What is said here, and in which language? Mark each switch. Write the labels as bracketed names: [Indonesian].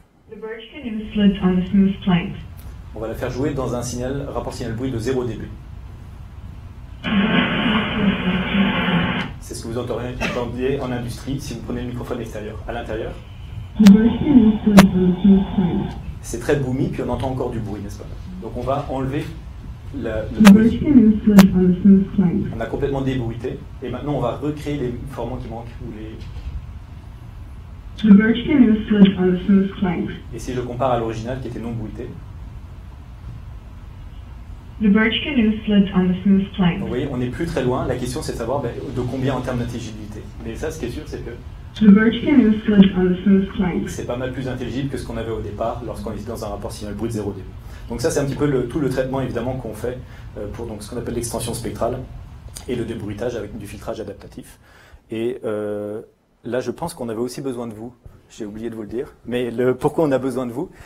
[English] The birch canoe slipped on the smooth plank. [French] On va la faire jouer dans un signal, rapport signal bruit de 0 dB. C'est ce que vous entendiez en industrie si vous prenez le microphone extérieur. À l'intérieur, c'est très boomy, puis on entend encore du bruit, n'est-ce pas? Donc on va enlever on a complètement débruité, et maintenant on va recréer les formants qui manquent, ou les... [English] The birch canoe slipped on the smooth plank. [French] Et si je compare à l'original qui était non bruité. [English] The birch canoe slipped on the smooth plank. [French] Donc, vous voyez, on n'est plus très loin. La question, c'est de savoir de combien en termes d'intelligibilité. Mais ça, ce qui est sûr, c'est que... [English] The birch canoe slipped on the smooth plank. [French] C'est pas mal plus intelligible que ce qu'on avait au départ lorsqu'on était dans un rapport signal bruit 0 dB. Donc ça, c'est un petit peu tout le traitement, évidemment, qu'on fait pour donc, ce qu'on appelle l'extension spectrale et le débruitage avec du filtrage adaptatif. Là, je pense qu'on avait aussi besoin de vous. J'ai oublié de vous le dire. Mais pourquoi on a besoin de vous?